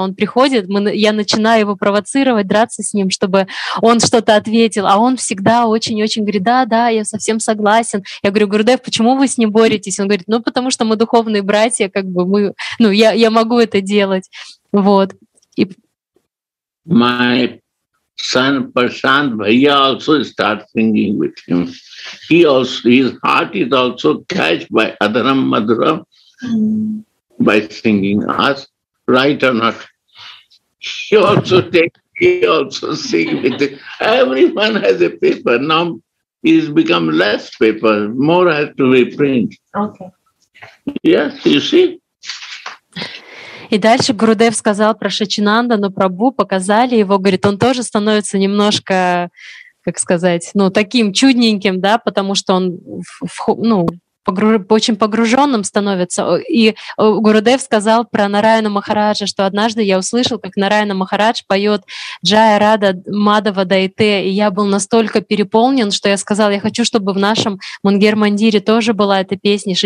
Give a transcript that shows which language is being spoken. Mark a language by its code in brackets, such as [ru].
[ru] Он приходит, я начинаю его провоцировать, драться с ним, чтобы он что-то ответил. А он всегда очень-очень говорит, да-да, я совсем согласен. Я говорю, Гурудев, почему вы с ним боретесь? Он говорит, ну, потому что мы духовные братья, как бы мы, ну, я могу это делать. Вот. И [en] my son Prashant Bhaiya also start singing with him. He also, his heart is also catched by Adharam Madhuram by singing us, right or not. He also take, he also sing with him. Everyone has a paper. Now it's become less paper, more has to be print. Okay. Yes, you see. [ru] И дальше Гурудев сказал про Шачинандану Прабу, показали его, говорит, он тоже становится немножко, как сказать, ну, таким чудненьким, да, потому что он очень погруженным становится. И Гурудев сказал про Нараяну Махараджа, что однажды я услышал, как Нараяна Махарадж поет «Джая Рада Мадава Дайте», и я был настолько переполнен, что я сказал, я хочу, чтобы в нашем Мунгер-Мандире тоже была эта песня.